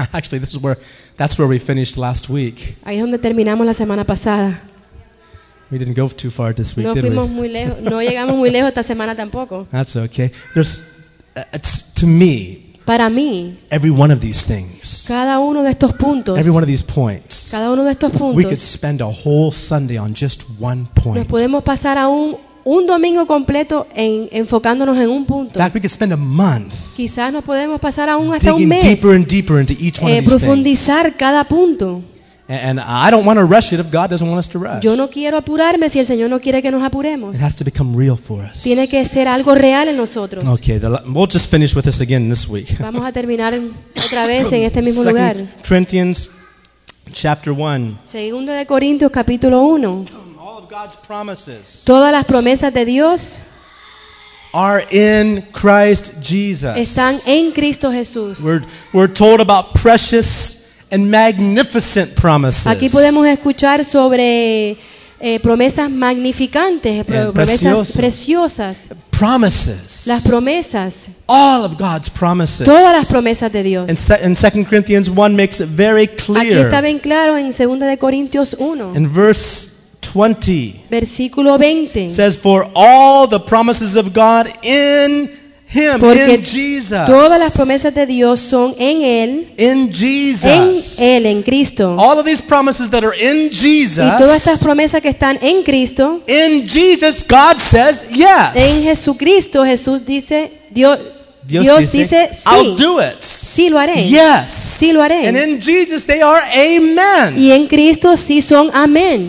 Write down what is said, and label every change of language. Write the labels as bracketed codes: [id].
[en] Actually, this is where, that's where we finished last week. [es] Ahí es donde terminamos la semana pasada. [en] We didn't go too far this week, [es] no [en] did we? [es] Muy lejos, no llegamos muy lejos esta semana tampoco. [en] That's okay. There's, it's to me. [es] Para mí, [en] every one of these things, [es] cada uno de estos puntos, [en] every one of these points, [es] cada uno de estos puntos, [en] we could spend a whole Sunday on just one point. [es] Nos podemos pasar un domingo completo en enfocándonos en un punto. [en] In fact, we could spend a month. [es] Quizás nos podemos pasar aún hasta [en] digging [es] un mes. [en] Deeper and deeper into each one of these [es] profundizar [en] things. [es] Cada punto. [en] And I don't want to rush it if God doesn't want us to rush. [es] Yo no quiero apurarme si el Señor no quiere que nos apuremos. [en] It has to become real for us. [es] Tiene que ser algo real en nosotros. [en] Okay, we'll just finish with this again this week. [es] Vamos a terminar otra vez en este mismo lugar. [en] 2 Corinthians chapter 1. [es] Segundo de Corintios capítulo 1. [en] All of God's promises. [es] Todas las promesas de Dios [en] are in Christ Jesus. [es] Están en Cristo Jesús. [en] We're told about precious and magnificent promises. [es] Aquí podemos escuchar sobre promesas magnificantes, promesas preciosas. [en] Promises. [es] Las promesas. [en] All of God's promises. [es] Todas las promesas de Dios. [en] In 2 Corinthians 1 makes it very clear. [es] Aquí está bien claro en 2 de Corintios 1. [en] In verse 20. [es] Versículo 20. [en] Says for all the promises of God in Him, [es] porque [en] in Jesus. [es] Todas las promesas de Dios son en Él. [en] In Jesus. [es] En Él, en Cristo. [en] All of these promises that are in Jesus. [es] Y todas estas promesas que están en Cristo. [en] In Jesus, God says yes. [es] En Jesucristo, Jesús dice, Dios dice sí. [en] I'll do it. [es] Sí lo haré. [en] Yes. [es] Sí lo haré. [en] And in Jesus, they are amen. [es] Y en Cristo, sí son amén.